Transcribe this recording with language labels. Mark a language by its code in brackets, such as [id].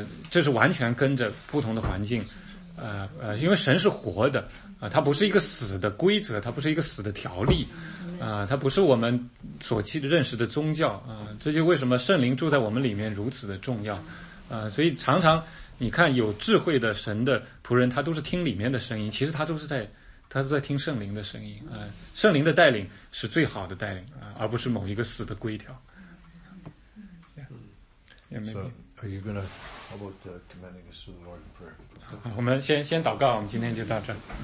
[zh] 这是完全跟着不同的环境，因为神是活的啊，他不是一个死的规则，他不是一个死的条例，他不是我们所认识的宗教啊，这就为什么圣灵住在我们里面如此的重要啊，所以常常。你看有智慧的神的仆人，他都是听里面的声音，其实他都在听圣灵的声音，圣灵的带领是最好的带领，而不是某一个死的规条。 [en] So are you going to, how about committing us to the Lord in prayer? [zh] 我们先祷告，我们今天就到这儿。